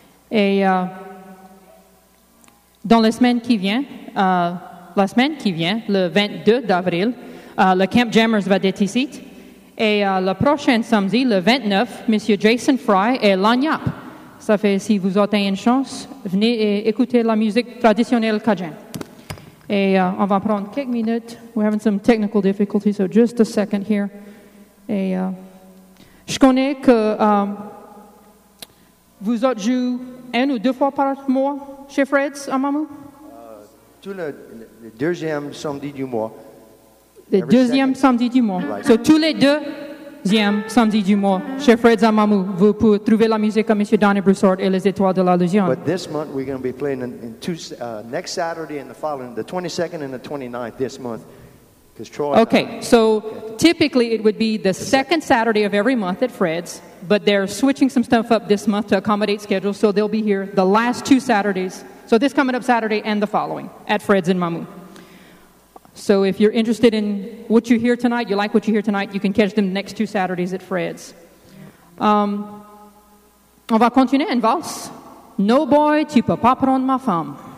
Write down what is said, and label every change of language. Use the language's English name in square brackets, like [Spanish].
[French] Et dans la semaine qui vient, le 22 d'avril, le Camp Jammers va être ici. Et le prochain samedi, le 29, M. Jason Fry et Lagnap. Ça fait, si vous avez une chance, venez et écouter la musique traditionnelle Cajun. Et on va prendre quelques minutes. [English] We're having some technical difficulties, so just a second here. [French] Et... je connais que vous êtes joué une ou deux fois par mois chez Fred's à Mamou? Tout le deuxième samedi du mois. Le deuxième samedi du mois. Right. So, tous les deuxièmes samedis du mois chez Fred's à Mamou, vous pouvez trouver la musique à M. Donnie Broussard et les Étoiles de l'Allusion. [English] But this month, we're going to be playing in two, next Saturday and the following, the 22nd and the 29th this month. Okay, so typically it would be the second Saturday of every month at Fred's, but they're switching some stuff up this month to accommodate schedules, so they'll be here the last two Saturdays, so this coming up Saturday and the following, at Fred's in Mamou. So if you're interested in what you hear tonight, you like what you hear tonight, you can catch them the next two Saturdays at Fred's. [French] On va continuer en valse. No boy, tu peux pas prendre ma femme.